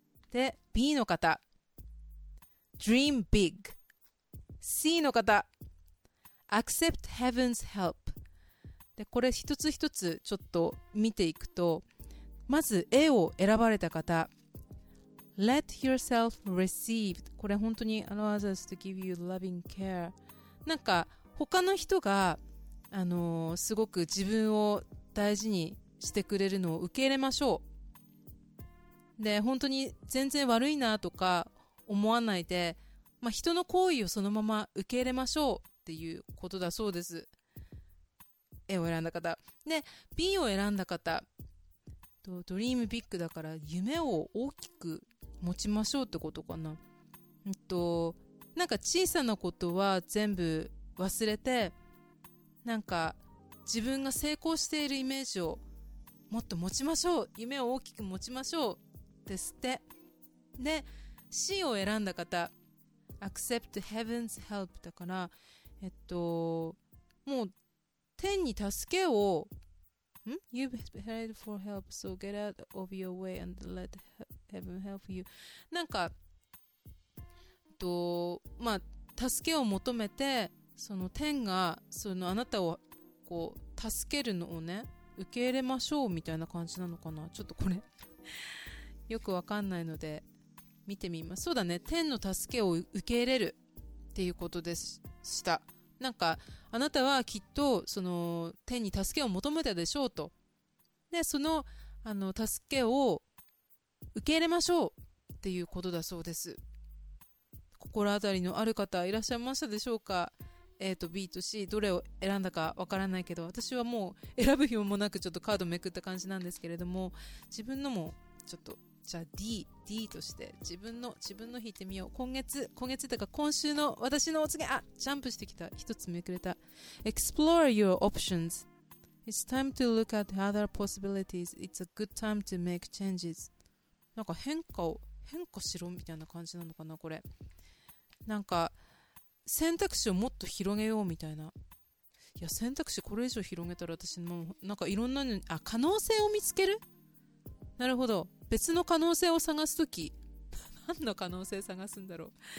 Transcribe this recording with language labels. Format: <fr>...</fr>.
<ja>で、B の方、</ja> <en>Dream big。</en> <ja>C の方、</ja> <en>Accept heaven's help。</en> <ja>で、これ一つ一つちょっと見ていくと、まず A を選ばれた方、</ja> <en>Let yourself receive。</en> <ja>これ本当に</ja> <en>allows us to give you loving care。</en> <ja>なんか他の人がすごく自分を大事にしてくれるのを受け入れましょう。で本当に全然悪いなとか思わないで、まあ、人の行為をそのまま受け入れましょうっていうことだそうです、 A を選んだ方。で B を選んだ方と、ドリームビッグだから夢を大きく持ちましょうってことかな。なんか小さなことは全部忘れて、なんか自分が成功しているイメージをもっと持ちましょう、夢を大きく持ちましょうですって。で C を選んだ方、</ja> <en>Accept heaven's help</en> <ja>だから、もう天に助けを、ん？</ja> <en>You've prayed for help, so get out of your way and let heaven help you。</en> <ja>なんか、まあ、助けを求めて、その天がそのあなたをこう助けるのをね受け入れましょうみたいな感じなのかな、ちょっとこれよくわかんないので見てみます。そうだね、天の助けを受け入れるっていうことでした。なんかあなたはきっとその天に助けを求めたでしょうと、でその、 あの助けを受け入れましょうっていうことだそうです。心当たりのある方いらっしゃいましたでしょうか。A と B と C どれを選んだかわからないけど、私はもう選ぶ暇もなくちょっとカードめくった感じなんですけれども、自分のもちょっとじゃあ D として自分の引いてみよう。今月というか今週の私のお告げ、あジャンプしてきた、一つめくれた。</ja> <en>Explore your options. It's time to look at other possibilities. It's a good time to make changes.</en> <ja>なんか変化しろみたいな感じなのかな、これ。なんか選択肢をもっと広げようみたいな。いや選択肢これ以上広げたら私もうなんかいろんなのに、あ可能性を見つける、なるほど、別の可能性を探すとき、何の可能性を探すんだろう。</ja>